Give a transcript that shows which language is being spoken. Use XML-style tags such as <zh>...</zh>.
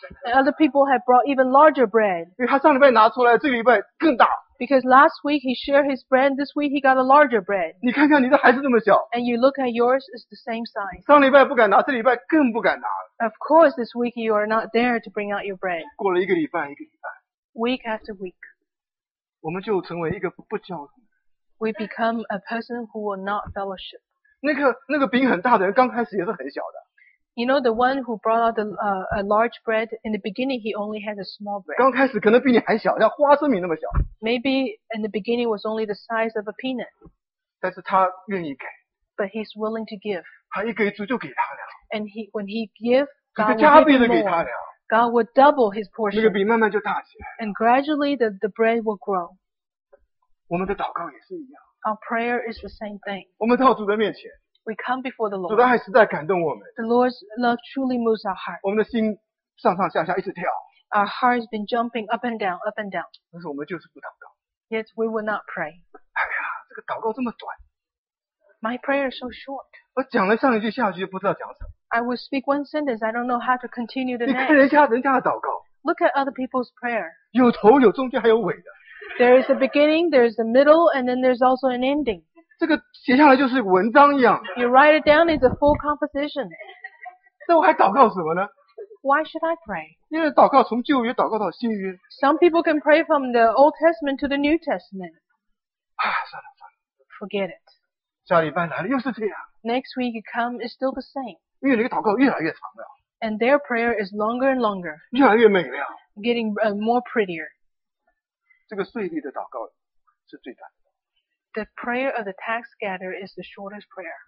<en>And other people have brought even larger bread.</en> <zh>因为他上礼拜拿出来，这个礼拜更大。</zh> <en>Because last week he shared his bread, this week he got a larger bread.</en> <zh>你看看你的还是那么小。</zh> <en>And you look at yours, it's the same size.</en> <zh>上礼拜不敢拿，这礼拜更不敢拿。</zh> <en>Of course, this week you are not there to bring out your bread.</en> <zh>过了一个礼拜，一个礼拜。</zh> <en>Week after week.</en> <zh>我们就成为一个不交通。</zh> <en>We become a person who will not fellowship.</en> <zh>那个饼很大的人刚开始也是很小的。</zh> <en>You know the one who brought out a large bread, in the beginning he only had a small bread.</en> <zh>刚开始可能比你还小，像花生米那么小。</zh> <en>Maybe in the beginning was only the size of a peanut.</en> <zh>但是他愿意给。</zh> <en>But he's willing to give.</en> <zh>他一给主就给他了。</zh> <en>And he, when he give, God will give more.</en> <zh>这个加倍的给他了。</zh> <en>God would double his portion.</en> <zh>那个饼慢慢就大起来。</zh> <en>And gradually the bread will grow.</en> <zh>我们的祷告也是一样。</zh> <en>Our prayer is the same thing.</en> <zh>我们到主的面前。</zh> <en>We come before the Lord.</en> <zh>主的爱实在感动我们。</zh> <en>The Lord's love truly moves our heart.</en> <zh>我们的心上上下下一直跳。</zh> <en>Our heart has been jumping up and down, up and down.</en> <zh>但是我们就是不祷告。</zh> <en>Yet we will not pray.</en> <zh>哎呀，这个祷告这么短。</zh> <en>My prayer is so short.</en> <zh>我讲了上一句下一句就不知道讲什么。</zh> <en>I will speak one sentence, I don't know how to continue the next.</en> <zh>你看人家的祷告。</zh> <en>Look at other people's prayer.</en> <zh>有头有中间还有尾的。</zh> <en>There is a beginning, there is a middle, and then there's also an ending.</en> <zh>这个写下来就是文章一样。</zh> <en>You write it down, it's a full composition.</en> <zh>那我还祷告什么呢？</zh> <en>Why should I pray?</en> <zh>因为祷告从旧约祷告到新约。</zh> <en>Some people can pray from the Old Testament to the New Testament.</en> <zh>算了。</zh> <en>Forget it.</en> <zh>下礼拜来了又是这样。</zh> <en>Next week you come, it's still the same.</en> <zh>因为你的祷告越来越长了。</zh> <en>And their prayer is longer and longer.</en> <zh>越来越美了。</zh> <en>Getting more prettier.</en> <zh>这个税吏的祷告是最短的。</zh> <en>The prayer of the tax gatherer is the shortest prayer.</en>